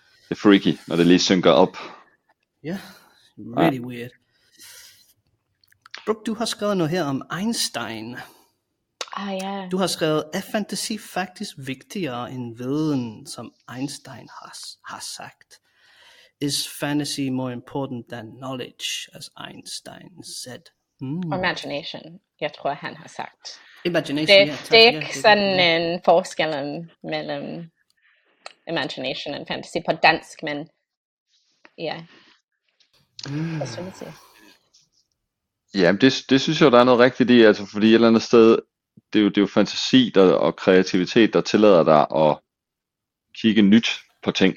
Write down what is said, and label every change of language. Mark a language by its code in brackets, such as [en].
[da] Det er freaky, når det lige synker op. Ja, [en] yeah, really weird. [da] Brooke, du har skrevet noget her om Einstein. Ah, ja. Du har skrevet, er fantasi faktisk vigtigere end viden, som Einstein har sagt? [en] Is fantasy more important than knowledge, as Einstein said? [da] Imagination, jeg tror han har sagt. [en] Imagination, [da] det er ikke sådan en forskel mellem imagination and fantasy på dansk, men ja. Jamen det synes jeg, der er noget rigtigt i, altså, fordi et eller andet sted, det er jo fantasi der, og kreativitet, der tillader dig at kigge nyt på ting.